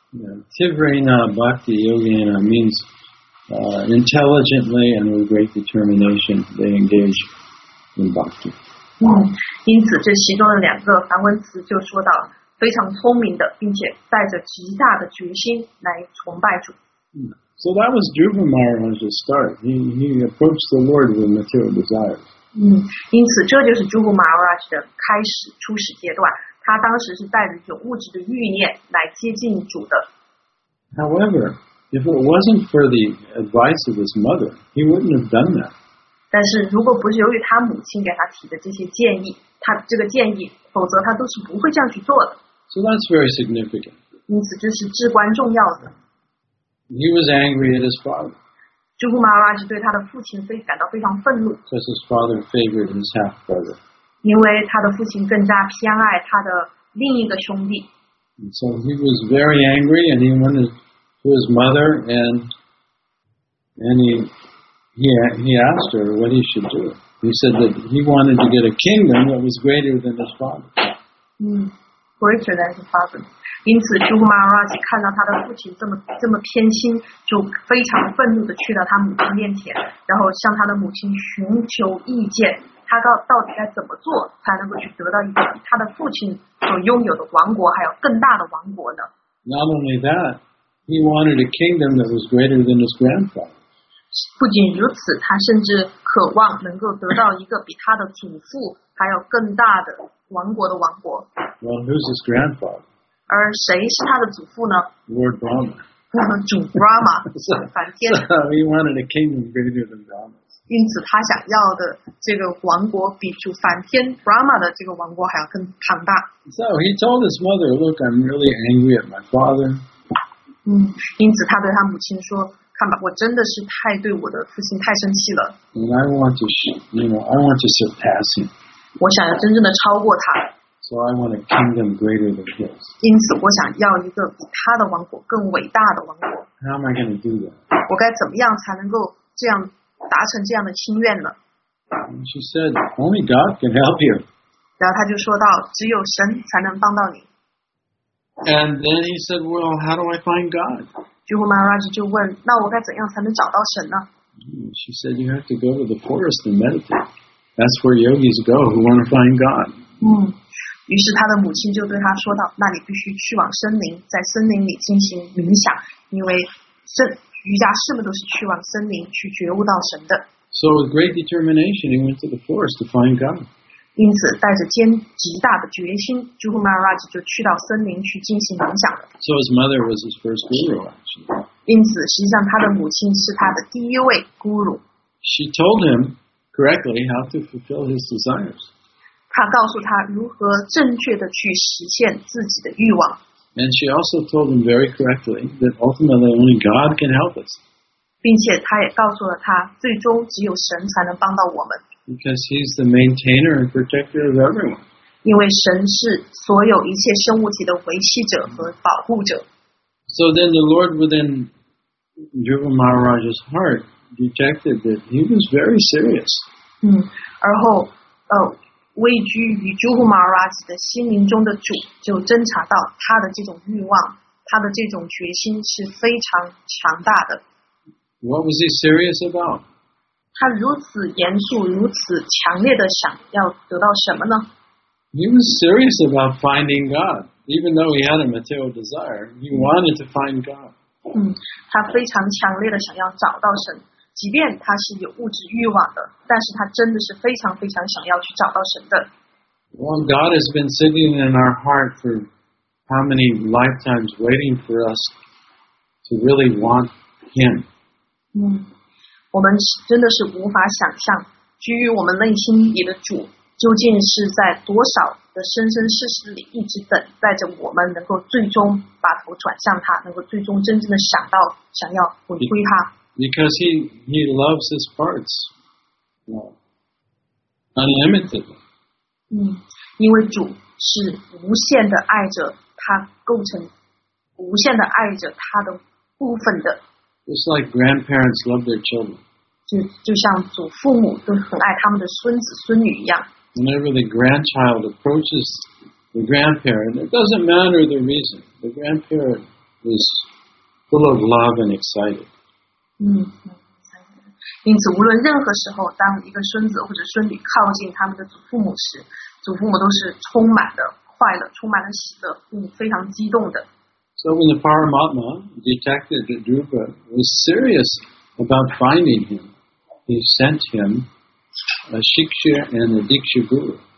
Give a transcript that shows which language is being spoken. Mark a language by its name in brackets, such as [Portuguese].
[Sanskrit] Tivrena bhakti yogina [English] means intelligently and with great determination they engage in bhakti。 [Chinese] 因此这其中的两个梵文词就说到非常聪明的，并且带着极大的决心来崇拜主。 [English] So that was Dhruva Maharaj's start. He approached the Lord with material desires. [Chinese] 因此这就是 Dhruva Maharaj 的开始初始阶段。他当时是带着一种物质的欲念来接近主的。 [English] However, if it wasn't for the advice of his mother, he wouldn't have done that. [Chinese] 但是如果不是由于他母亲给他提的这些建议，他这个建议，否则他都是不会这样去做的。 [English] So that's very significant. [Chinese] 因此这是至关重要的。 [English] He was angry at his father. [Chinese] Dhruva Maharaj 对他的父亲感到非常愤怒。 [English] Because his father favored his half-brother. [Chinese] 因为他的父亲更加偏爱他的另一个兄弟。 [English] And so he was very angry and he went to his mother and he asked her what he should do. He said that he wanted to get a kingdom that was greater than his father. Greater than his father. [Chinese] 因此 Dhruva Maharaj 看到他的父亲这么偏心就非常愤怒地去到他母亲面前然后向他的母亲寻求意见他到底该怎么做才能够去得到一个他的父亲所拥有的王国还有更大的王国呢 [English] Not only that, he wanted a kingdom that was greater than his grandfather. [Chinese] 不仅如此他甚至渴望能够得到一个比他的祖父还有更大的王国的王国 [English] Well, who's his grandfather? [Chinese] 而谁是他的祖父呢 [English] Lord Brahma. [Chinese] 主 Brahma, 梵天。 [English] So he wanted a kingdom greater than Brahma's. [Chinese] 因此他想要的这个王国比主梵天 Brahma 的这个王国还要更庞大。 [English] So he told his mother, look, I'm really angry at my father. [Chinese] 因此他对他母亲说看吧我真的是太对我的父亲太生气了。 [English] And I want to, I want to surpass him. [Chinese] 我想要真正的超过他。 [English] So I want a kingdom greater than his. [Chinese] 因此我想要一个比他的王国更伟大的王国。 [English] How am I going to do that? [Chinese] 我该怎么样才能够这样达成这样的心愿呢 [English] She said, only God can help you. [Chinese] 然后他就说到只有神才能帮到你。 [English] And then he said, well, how do I find God? [Chinese] Dhruva Maharaj 就问那我该怎样才能找到神呢 [English] She said, you have to go to the forest and meditate. That's where yogis go who want to find God. [Chinese] 于是他的母亲就对他说道那你必须去往森林在森林里进行冥想因为瑜伽师们都是去往森林去觉悟到神的。 [English] So with great determination, he went to the forest to find God. [Chinese] 因此带着坚极大的决心 Dhruva Maharaj 就去到森林去进行冥想了。 [English] So his mother was his first guru, actually. [Chinese] 因此实际上他的母亲是他的第一位 guru. [English] She told him correctly how to fulfill his desires. [Chinese] 他告诉他如何正确的去实现自己的欲望。 [English] And she also told him very correctly that ultimately only God can help us. [Chinese] 并且他也告诉了他最终只有神才能帮到我们。 [English] Because he's the maintainer and protector of everyone. [Chinese] 因为神是所有一切生物体的维系者和保护者。 [English] So then the Lord within Dhruva Maharaj's heart detected that he was very serious. [Chinese] 而后位居于 Dhruva Maharaj 的心灵中的主就侦察到他的这种欲望他的这种决心是非常强大的 [English] What was he serious about? [Chinese] 他如此严肃如此强烈的想要得到什么呢 [English] He was serious about finding God even though he had a material desire he wanted to find God [Chinese] 他非常强烈的想要找到神即便他是有物质欲望的但是他真的是非常非常想要去找到神的。 [English] Well, God has been sitting in our heart for how many lifetimes waiting for us to really want Him. [Chinese] 我们真的是无法想象居于我们内心里的主究竟是在多少的生生世世里一直等待着我们能够最终把头转向他能够最终真正的想到想要回归他。 [English] Because he loves his parts unlimited. [Chinese] 因为主是无限的爱着他构成无限的爱着他的部分的。 [English] Just like grandparents love their children. [Chinese] 就像祖父母都很爱他们的孙子孙女一样。 [English] Whenever the grandchild approaches the grandparent, it doesn't matter the reason. The grandparent is full of love and excited. [Chinese] 因此无论任何时候当一个孙子或者孙女靠近他们的祖父母时祖父母都是充满了快乐充满了喜乐非常激动的 [English] So when the Paramatma detected that Dhruva was serious about finding him, he sent him a Shiksha and a Diksha Guru.